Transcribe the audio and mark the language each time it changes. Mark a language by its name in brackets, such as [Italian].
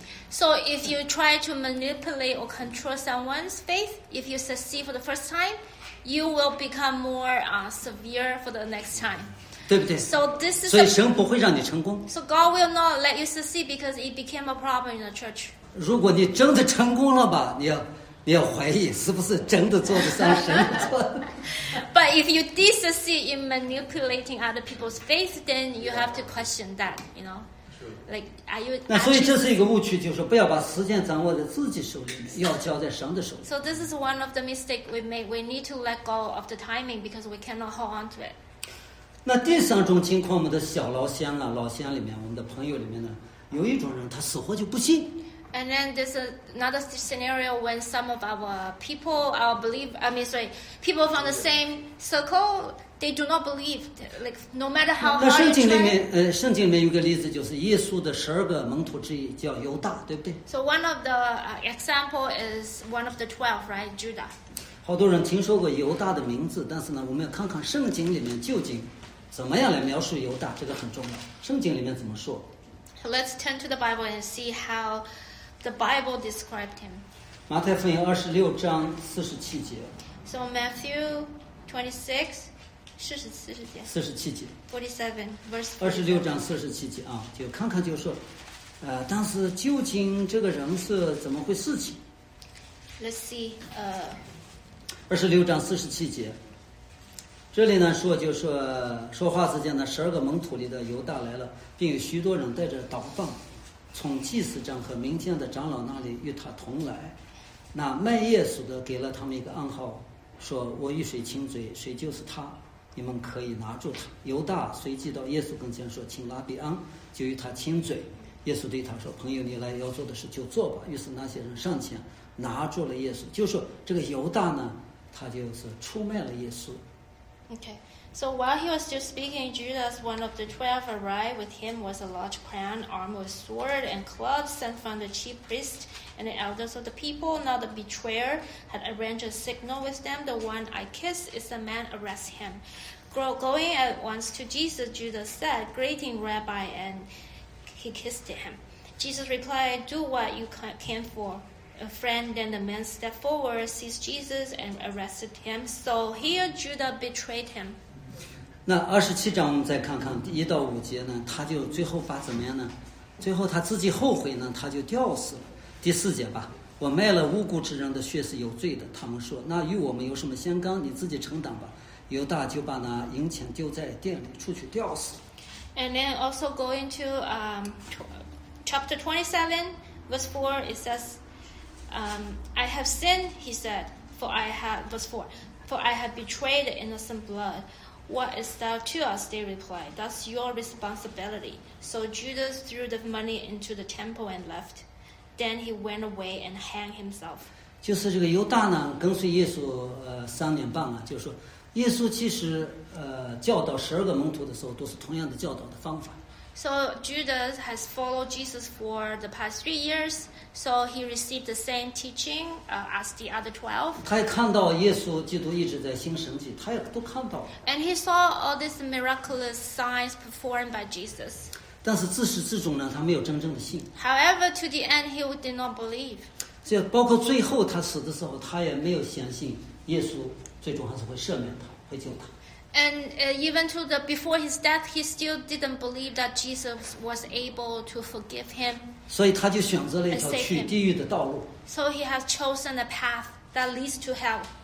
[English] So if you try to manipulate or control someone's faith, if you succeed for the first time, you will become more severe for the next time. [Chinese] 对不对? [English] So this is. [Chinese] 所以神不会让你成功。 [English] So God will not let you succeed because it became a problem in the church. [Chinese] 如果你真的成功了吧，你要怀疑是不是真的做得像神做的。 [English] But if you did succeed in manipulating other people's faith, then you have to question that, you know. [Chinese] 那所以这是一个误区，就是说不要把时间掌握在自己手里，要交在神的手里。 [English] So this is one of the mistakes we made. We need to let go of the timing because we cannot hold on to it. [Chinese] 那第三种情况，我们的小老乡啊，老乡里面，我们的朋友里面呢，有一种人，他死活就不信。 [English] And then there's another scenario when some of our people, our believe, I mean, sorry, people from the same circle, they do not believe. Like, no matter how hard. [Chinese] 那圣经里面，圣经里面有个例子，就是耶稣的十二个门徒之一叫犹大，对不对 [English] ？So one of the example is one of the 12, right, Judah. [Chinese] 好多人听说过犹大的名字，但是呢，我们要看看圣经里面究竟怎么样来描述犹大，这个很重要。圣经里面怎么说 [English] ？Let's turn to the Bible and see how. The Bible described him. [Chinese] 马太福音二十六章四十七节。 [English] So Matthew 26, [Chinese] 四十七节。 [English] 47, verse [Chinese] 46. 二十六章四十七节啊，就看看就说，当时究竟这个人是怎么回事情。 [English] Let's see. [Chinese] 二十六章四十七节，这里呢说就说说话之间呢，十二个门徒里的犹大来了，并有许多人带着祷告。从祭司长和民间的长老那里与他同来，那卖耶稣的给了他们一个暗号，说我与谁亲嘴，谁就是他，你们可以拿住他。犹大随即到耶稣跟前说，请拉比安，就与他亲嘴。耶稣对他说，朋友，你来要做的事就做吧。于是那些人上前拿住了耶稣，就说这个犹大呢，他就是出卖了耶稣。 [English] OK. So while he was still speaking, Judas, one of the 12, arrived. With him was a large crown armed with sword and clubs sent from the chief priest and the elders of the people. Now the betrayer had arranged a signal with them. The one I kiss is the man, arrest him. Going at once to Jesus, Judas said, greeting, Rabbi, and he kissed him. Jesus replied, do what you came for. A friend, then the man stepped forward, seized Jesus, and arrested him. So here Judah betrayed him. [Chinese] 那二十七章我们再看看一到五节呢，他就最后发怎么样呢？最后他自己后悔呢，他就吊死了。第四节吧，我卖了无辜之人的血是有罪的。他们说，那与我们有什么相干？你自己承担吧。犹大就把那银钱丢在店里，出去吊死。 [English] And then also going to chapter 27, verse 4, it says. I have sinned, he said, for I have, verse 4, for I have betrayed innocent blood. What is thou to us? They replied. That's your responsibility. So Judas threw the money into the temple and left. Then he went away and hanged himself. [Chinese] 就是这个犹大呢，跟随耶稣三年半了，就是说耶稣其实教导十二个门徒的时候都是同样的教导的方法。 [English] So Judas has followed Jesus for the past 3 years. So he received the same teaching as the other 12. [Chinese] 他也看到耶稣基督一直在行神迹，他也都看到。 [English] And he saw all these miraculous signs performed by Jesus. [Chinese] 但是自始至终呢，他没有真正的信。 [English] However, to the end, he did not believe. [Chinese] 这包括最后他死的时候，他也没有相信耶稣最终还是会赦免他，会救他。 [English] And even to the before his death, he still didn't believe that Jesus was able to forgive him. [Chinese] 所以他就选择了一条去地狱的道路。 [English] So he has chosen a path that leads to hell.